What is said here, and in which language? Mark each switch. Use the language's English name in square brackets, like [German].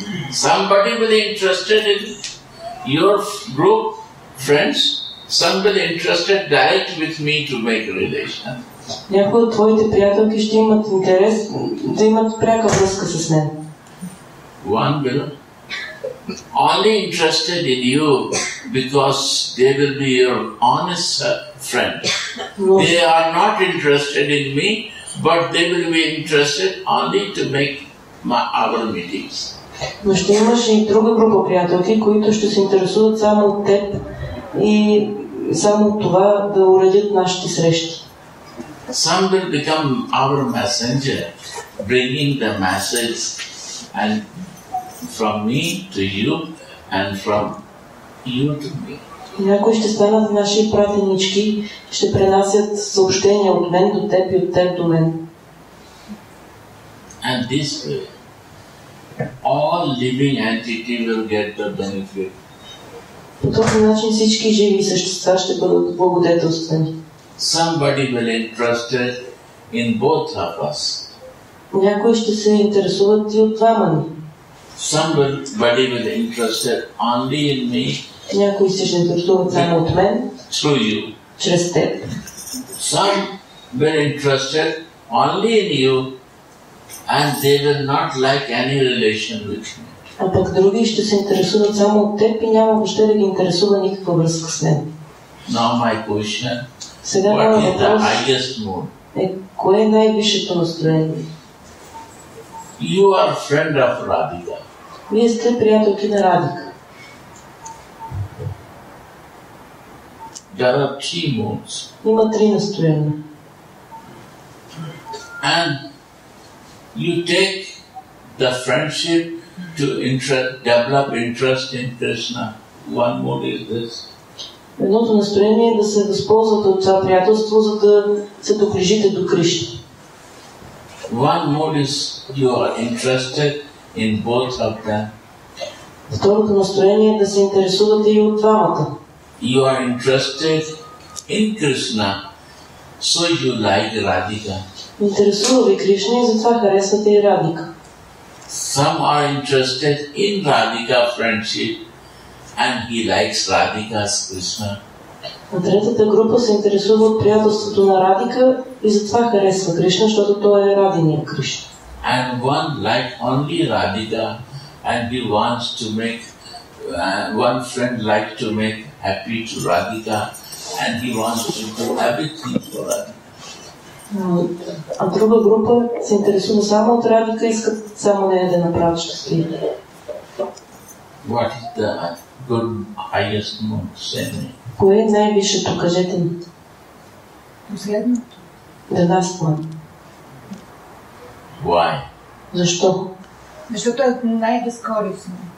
[English] Somebody will be interested in your group, friends. Some will be interested direct with me to make a relation. [Bulgarian] Някои от твоите приятелки ще имат интерес да имат пряка връзка с мен. [English] One will only interested in you because they will be your honest friend. They are not interested in me, but they will be interested only to make our meetings. [Bulgarian] Но ще имаш и друга група приятелки, които ще се интересуват само от теб и само от това да уредят нашите срещи. [English] Some will become our messenger, bringing the message and from me to you and from you to me. [Bulgarian] Някои ще станат наши пратенички, ще пренасят съобщения от мен до теб и от теб до мен. [English] And this way, all living entity will get the benefit. [Bulgarian] По този начин всички живи същества ще бъдат благодетелствани. [English] Somebody will interested in both of us. [Bulgarian] Някои ще се интересуват и от двама ни. [English] Somebody will interested only in me. [Bulgarian] Някои ще се интересуват само от мен. [English] Through you. [Bulgarian] Чрез теб. [English] Some will interested only in you. And they will not like any relation with me. [Bulgarian] А пък други ще се интересуват само от теб и няма въобще да ги интересува никаква връзка с мен. [English] Now my question. [Bulgarian] Сега [English] what [Bulgarian] е [English] is the highest mood? [Bulgarian] Е, кое е най-висшето настроение? [English] You are friend of Radhika. [Bulgarian] Вие сте приятелки на Радика. [English] There are three moods. [Bulgarian] Има три настроения. [English] And you take the friendship to develop interest in Krishna. One mood is this. [Bulgarian] Едното настроение е да се възползвате от това приятелство, за да се доближите до Кришна. [English] One mood is you are interested in both of them. [Bulgarian] Второто настроение е да се интересувате и от двамата. [English] You are interested in Krishna, so you like Radhika. [Bulgarian] Интересува ви Кришна и затова харесвате и Радика. [English] Some are interested in Radhika friendship and he likes Radhika's Krishna. [Bulgarian] А третата група се интересува от приятелството на Радика и затова харесва Кришна, защото той е Радиния Кришна. [English] And one like only Radhika and he wants to make one friend like to make happy to Radhika and he wants to do everything for Radhika. [Bulgarian] А друга група се интересува само от Радика и искат само нея да направят щастливи. [English] What is the good highest mood, say me? [Bulgarian] Кое е най-висшето, кажете ми? Последното. [English] The last one. Why? [Bulgarian] Защо? Защото е най-безкорисно.